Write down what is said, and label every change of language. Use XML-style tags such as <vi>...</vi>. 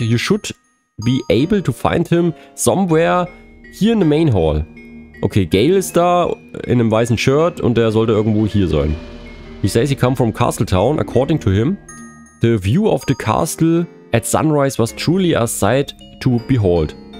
<en>You should be able to find him somewhere here in the main hall.</en> <de>Okay, Gail ist da in einem weißen Shirt und der sollte irgendwo hier sein.</de> <en>He says he come from Castletown, according to him. The view of the castle at sunrise was truly a sight to behold.</en>